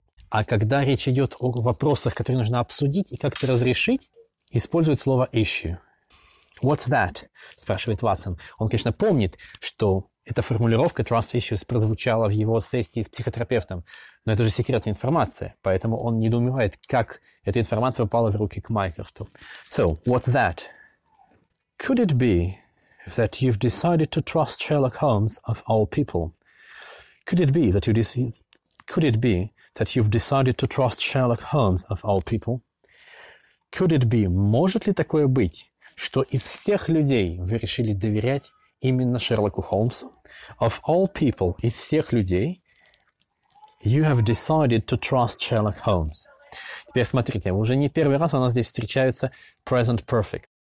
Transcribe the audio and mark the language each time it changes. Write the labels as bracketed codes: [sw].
[ru] А когда речь идет о вопросах, которые нужно обсудить и как-то разрешить, используют слово issue. [en] What's that? [ru] Спрашивает Ватсон. Он, конечно, помнит, что эта формулировка «trust issues» прозвучала в его сессии с психотерапевтом. Но это же секретная информация, поэтому он недоумевает, как эта информация упала в руки к Майкрофту. [en] So, what's that? Could it be that you've decided to trust Sherlock Holmes of all people? Could it be that you decided to trust Sherlock Holmes of all people? Could it be? [ru] Может ли такое быть, что из всех людей вы решили доверять именно Шерлоку Холмсу? [en] Of all people, [ru] из всех людей, [en] you have decided to trust Sherlock Holmes. [ru] Теперь смотрите, уже не первый раз у нас здесь встречается present perfect.